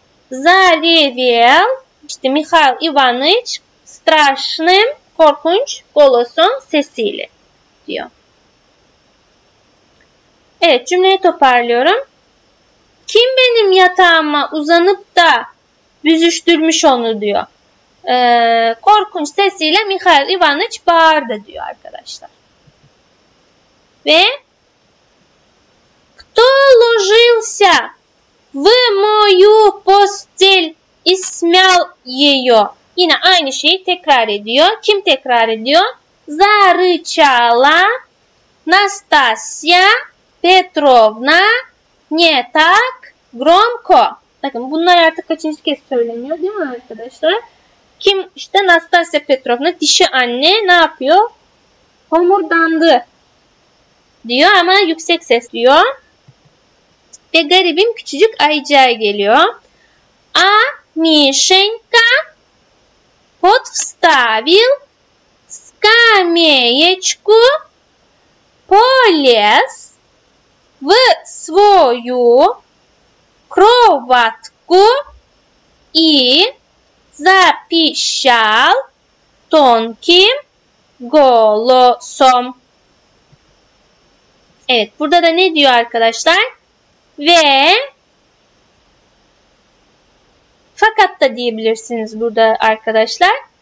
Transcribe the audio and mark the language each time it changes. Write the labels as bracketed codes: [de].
[ru] Заревел, [tr] işte Михаил Иванович, [ru] страшным, [tr] korkunç, [ru] голосом, [tr] sesiyle, diyor. Evet, cümleyi toparlıyorum. Kim benim yatağıma uzanıp da büzüştürmüş onu, diyor. Korkunç sesiyle Михаил Иванович bağırdı, diyor arkadaşlar. ve [ru] kto ložился в мою постель и смял её? [tr] Yine aynı şeyi tekrar ediyor. Kim tekrar ediyor? [ru] Зарычала Настасья Петровна не так громко. [tr] Bakın bunlar artık kaçıncı kez söyleniyor değil mi arkadaşlar? Kim işte Настасья Петровна dişi anne ne yapıyor? Homurdandı diyor ama yüksek ses diyor. Ve garibim küçücük Ayça'ya geliyor. [ru] А Мишенька подставил скамеечку, полез в свою кроватку и запищал тонким голосом. [tr] Evet, burada da ne diyor arkadaşlar? Ve fakat da diyebilirsiniz burada arkadaşlar.